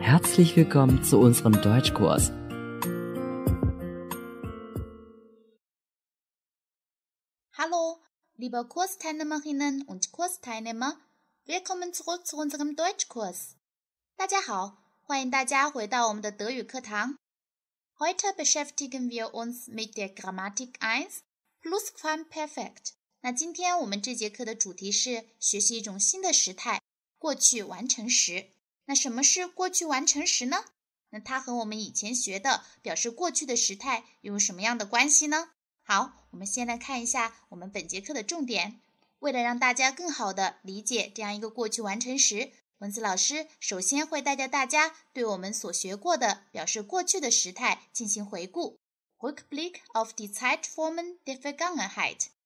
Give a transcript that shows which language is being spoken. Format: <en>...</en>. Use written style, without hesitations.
<de>Herzlich willkommen zu unserem Deutschkurs. Hallo, liebe Kursteilnehmerinnen und Kursteilnehmer. Willkommen zurück zu unserem Deutschkurs.</de> <zh>大家好，欢迎大家回到我们的德语课堂。</zh> <de>Heute beschäftigen wir uns mit der Grammatik 1 Plusquamperfekt.</de> <zh>那今天我们这节课的主题是学习一种新的时态，过去完成时。那什么是过去完成时呢？那它和我们以前学的表示过去的时态有什么样的关系呢？好，我们先来看一下我们本节课的重点。为了让大家更好地理解这样一个过去完成时，文字老师首先会带着大家对我们所学过的表示过去的时态进行回顾</zh> <de>Rückblick auf die Zeitformen der Vergangenheit。</de>